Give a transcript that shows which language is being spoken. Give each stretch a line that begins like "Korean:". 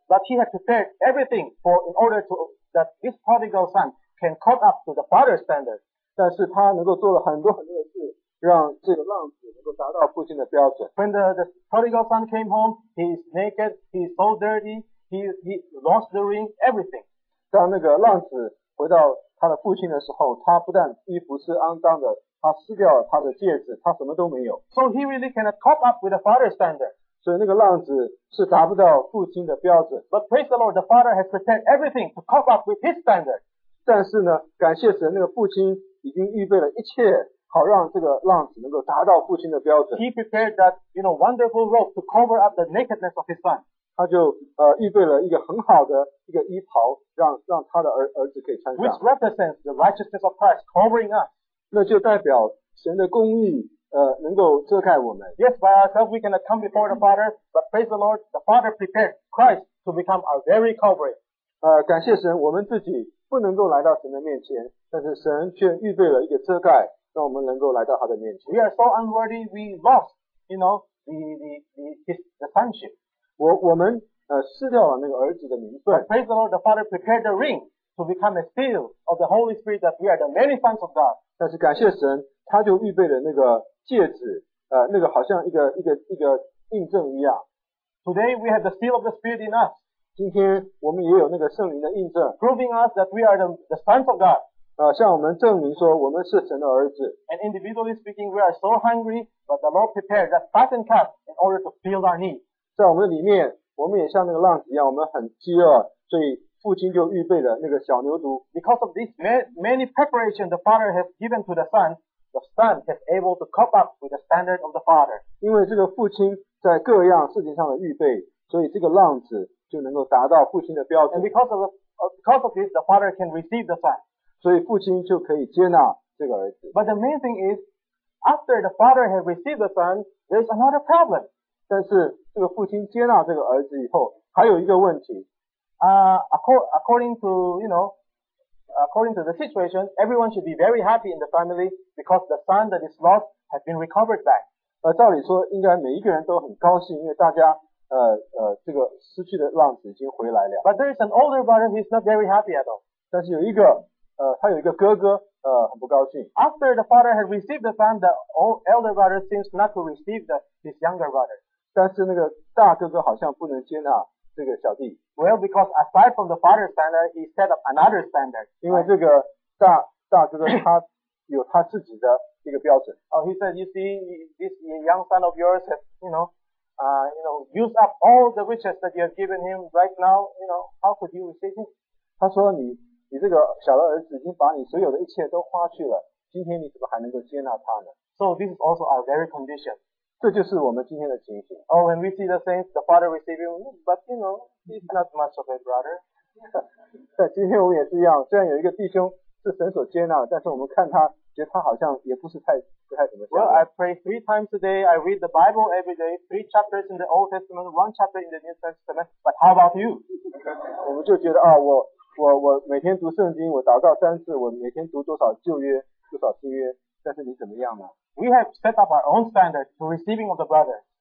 English: But he had prepared everything in order that this prodigal son can caught up to the father's standard.
Chinese: 但是他能够做了很多很多的事，让这个浪子能够达到父亲的标准。
English: When the prodigal son came home, he is naked, he is so dirty, he lost the ring, everything.
Chinese: 当那个浪子回到他的父亲的时候，他不但衣服是肮脏的，他撕掉了他的戒指，他什么都没有。
English: So he really cannot cope up with the father's standard.
Chinese: 所以那个浪子是达不到父亲的标准。
English: But praise the Lord, the father has prepared everything to cope up with his standard.
Chinese: 但是呢，感谢神，那个父亲。已经预备了一切，好让这个浪子能够达到父亲的标准。
English: He prepared that, you know, wonderful robe to cover up the nakedness of his son.
Chinese: 他就预备了一个很好的一个衣袍，让他的儿子可以穿上。
English: Which represents the righteousness of Christ covering us.
Chinese: 那就代表神的公义能够遮盖我们。
English: Yes, by ourselves we cannot come before the Father, but praise the Lord, the Father prepared Christ to become our very covering.
Chinese: 感谢神，我们自己不能够来到神的面前。但是神却预备了一个遮盖，让我们能够来到他的面前。
English: We are so unworthy, we lost, you know, the sonship.
Chinese: 我们失掉了那个儿子的名分。
English: But praise the Lord, the Father prepared the ring to become a seal of the Holy Spirit that we are the many sons of God.
Chinese: 但是感谢神，他就预备了那个戒指，那个好像一个印证一样。
English: Today we have the seal of the Spirit in us.
Chinese: 今天我们也有那个圣灵的印证
English: proving us that we are the sons of God.
Chinese: 向我们证明说我们是神的儿子。
English: And individually speaking, we are so hungry, but the Lord prepared that fattened calf in order to fill our need.
Chinese: 在我们的里面，我们也像那个浪子一样，我们很饥饿，所以父亲就预备了那个小牛犊。
English: Because of this many preparation the Father has given to the Son, the Son is able to cope up with the standard of the Father.
Chinese: 因为这个父亲在各样事情上的预备，所以这个浪子就能够达到父亲的标准。
English: And because of this, the Father can receive the Son.
Chinese: 所以父亲就可以接纳这个儿子。
English: But the main thing is, after the Father has received the Son, there's another problem.
Chinese: 但是这个父亲接纳这个儿子以后，还有一个问题。
English: According to the situation, everyone should be very happy in the family because the son that is lost has been recovered back.
Chinese: 照理说应该每一个人都很高兴，因为大家这个失去的浪子已经回来了。
English: But there is an older brother who is not very happy at all.
Chinese: 但是有一个他有一个哥哥很不高兴。
English: After the father had received the son, the elder brother seems not to receive his younger brother.
Chinese: 但是那个大哥哥好像不能接纳这个小弟。
English: Well, because aside from the father's standard, he set up another standard.
Chinese: 因为这个大哥哥他有他自己的一个标准。
English: Oh, he said, you see, this young son of yours has, you know, used up all the riches that you have given him right now. You know, how could you receive him?
Chinese: 他说你这个小的儿子已经把你所有的一切都花去了，今天你怎么还能够接纳他呢？
English: So this is also our very condition.
Chinese: 这就是我们今天的情形。
English: Oh, when we see the saints, the father receiving, but you know, he's not much of a brother.
Chinese: 在今天我们也是一样，虽然有一个弟兄是神所接纳的，但是我们看他，觉得他好像也不太怎么
English: 像。Well, I pray three times a day. I read the Bible every day, three chapters in the Old Testament, one chapter in the New Testament. But how about you?
Chinese: 我们就觉得啊，我每天读圣经，我祷告三次，我每天读多少旧约，多少新约，但是你怎么样呢？
English: We have set up our own standard to receiving of the brother.